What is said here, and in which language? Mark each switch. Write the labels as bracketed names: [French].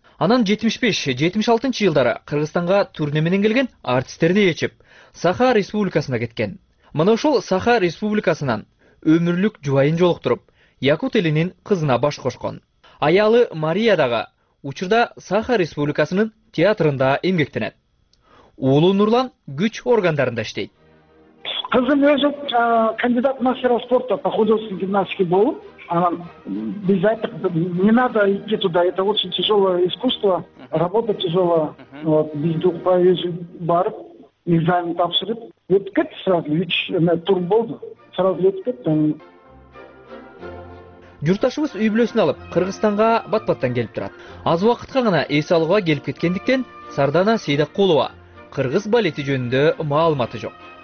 [Kyrgyz] Анан 75-76 жылдары Кыргызстанга турне менен келген артисттерди ээчип, Саха Республикасына кеткен. Мына ошол Саха Республикасынан өмүрлүк жубайын жолуктуруп, Якут элинин кызына баш кошкон. Аялы Мария дагы учурда Саха Республикасынын театрында эмгектенет. Уулу Нурлан күч органдарында иштейт. Кызым өзү [Russian] кандидат мастера спорта по художественной гимнастике [Kyrgyz] болуп, анан биз айттык, [Russian] не надо идти туда, это очень тяжелое искусство, работа тяжелая. [Kyrgyz] Вот бизди укпай өзү барып экзамен тапшырып өтүп кетти, сразу 3 тур болду, сразу өтүп кетти. Журташыбыз үй бүлөсүн алып Кыргызстанга бат-баттан келип турат. Аз убакытка гана эс алууга келип кеткендиктен Сардана Сейдакулова кыргыз балети жөнүндө маалыматы жок.